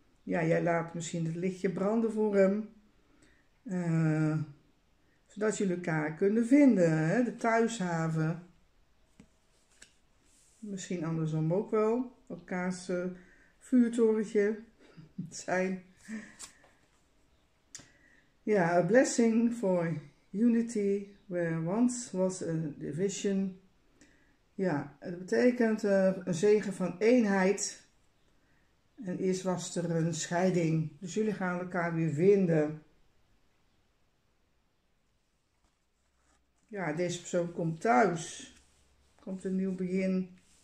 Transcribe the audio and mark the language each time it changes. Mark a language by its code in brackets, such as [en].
[nl] Ja, jij laat misschien het lichtje branden voor hem. Zodat jullie elkaar kunnen vinden, hè? De thuishaven. Misschien andersom ook wel. Elkaars vuurtorentje zijn. [en] Ja, a blessing for unity where once was a division. [nl] Ja, het betekent een zegen van eenheid. En eerst was er een scheiding. Dus jullie gaan elkaar weer vinden. Ja, deze persoon komt thuis. Komt een nieuw begin.